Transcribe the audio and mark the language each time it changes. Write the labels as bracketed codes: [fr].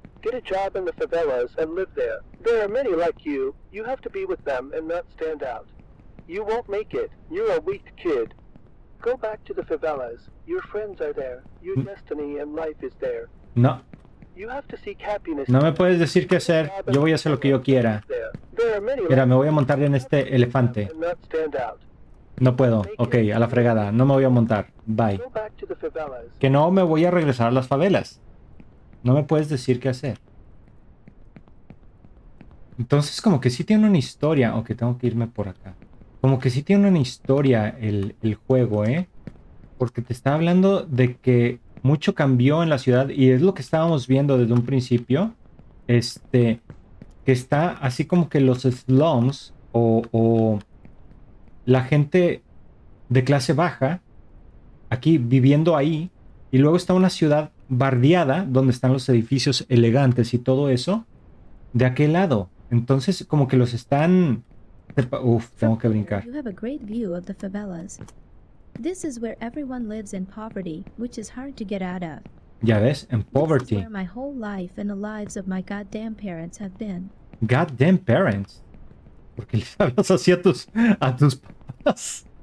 [en] Get a job in the favelas and live there. There are many like you. You have to be with them and not stand out. You won't make it. You're a weak kid. Go back to the favelas. Your friends are there. Your destiny and life is there. No. You have to seek happiness. [es] No me puedes decir qué hacer. Yo voy a hacer lo que yo quiera. Mira, me voy a montar en este elefante. No puedo, ok, a la fregada, no me voy a montar, bye. Que no me voy a regresar a las favelas. No me puedes decir qué hacer. Entonces como que sí tiene una historia, ok, tengo que irme por acá. Como que sí tiene una historia el juego, ¿eh? Porque te está hablando de que mucho cambió en la ciudad y es lo que estábamos viendo desde un principio. Que está así como que los slums o la gente de clase baja aquí viviendo ahí, y luego está una ciudad bardeada donde están los edificios elegantes y todo eso de aquel lado. Entonces como que los están, uf, tengo que brincar. [en] You have a great view of the favelas. This is where everyone lives in poverty, which is hard to get out of. [es] Ya ves, en poverty. [en] This is where my whole life and the lives of my goddamn parents have been. Goddamn parents. [es] ¿Por qué les hablas así a tus papás?